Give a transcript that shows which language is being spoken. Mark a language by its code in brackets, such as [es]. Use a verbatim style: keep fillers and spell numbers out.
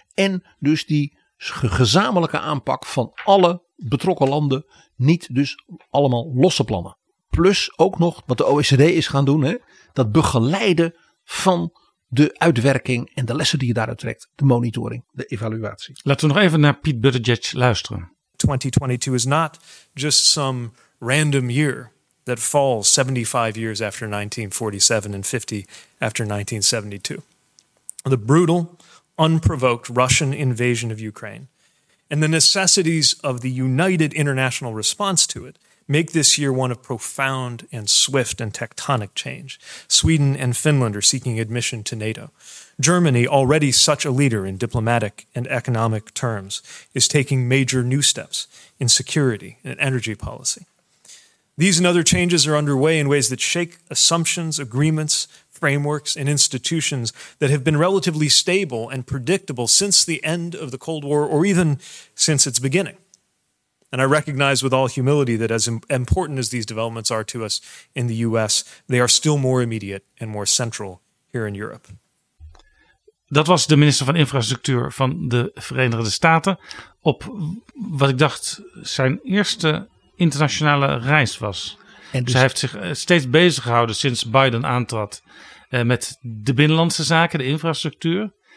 [nl] En dus die gezamenlijke aanpak van alle betrokken landen. Niet dus allemaal losse plannen. Plus ook nog wat de O E C D is gaan doen. Hè, dat begeleiden van de uitwerking en de lessen die je daaruit trekt. De monitoring, de evaluatie. Laten we nog even naar Piet Buttigieg luisteren. [en] twenty twenty-two is not just some random year that falls seventy-five years after nineteen forty-seven and fifty after nineteen seventy-two. The brutal, unprovoked Russian invasion of Ukraine and the necessities of the united international response to it make this year one of profound and swift and tectonic change. Sweden and Finland are seeking admission to NATO. Germany, already such a leader in diplomatic and economic terms, is taking major new steps in security and energy policy. These and other changes are underway in ways that shake assumptions, agreements, frameworks and institutions that have been relatively stable and predictable since the end of the Cold War or even since its beginning. And I recognize with all humility that as important as these developments are to us in the U S, they are still more immediate and more central here in Europe. [nl] Dat was de minister van Infrastructuur van de Verenigde Staten. Op wat ik dacht zijn eerste internationale reis was. En dus... Zij heeft zich steeds bezig gehouden sinds Biden aantrad eh, met de binnenlandse zaken, de infrastructuur.